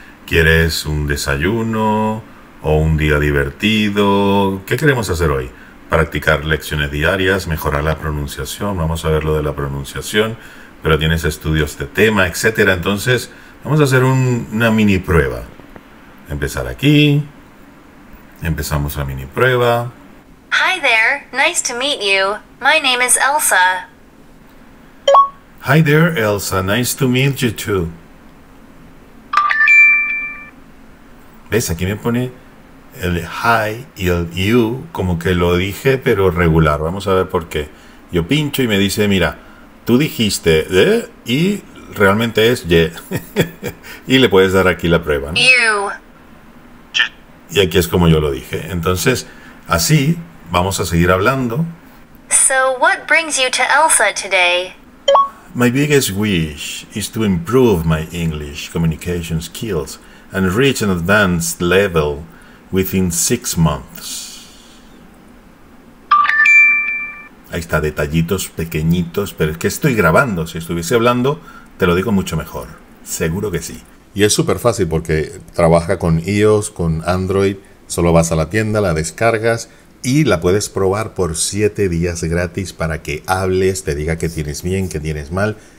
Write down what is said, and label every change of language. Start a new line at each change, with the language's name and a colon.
Spanish: ¿Quieres un desayuno o un día divertido? ¿Qué queremos hacer hoy? Practicar lecciones diarias, mejorar la pronunciación, vamos a ver lo de la pronunciación, pero tienes estudios de tema, etcétera. Entonces, vamos a hacer una mini prueba. Empezar aquí. Empezamos la mini prueba.
English: Hi there, nice to meet you. My name is Elsa. Hi there, Elsa, nice to meet you too.
Spanish: ¿Ves? Aquí me pone el hi y el you, como que lo dije, pero regular. Vamos a ver por qué. Yo pincho y me dice, mira, tú dijiste de, y realmente es ye. Y le puedes dar aquí la prueba, ¿no?
English: You.
Spanish: Y aquí es como yo lo dije. Entonces, así, vamos a seguir hablando.
English: So, what brings you to Elsa today? My biggest wish is to improve my English communication skills and reach an advanced level within 6 months.
Spanish: Ahí está, detallitos pequeñitos, pero es que estoy grabando. Si estuviese hablando, te lo digo mucho mejor. Seguro que sí. Y es súper fácil porque trabaja con iOS, con Android. Solo vas a la tienda, la descargas y la puedes probar por 7 días gratis para que hables, te diga qué tienes bien, qué tienes mal.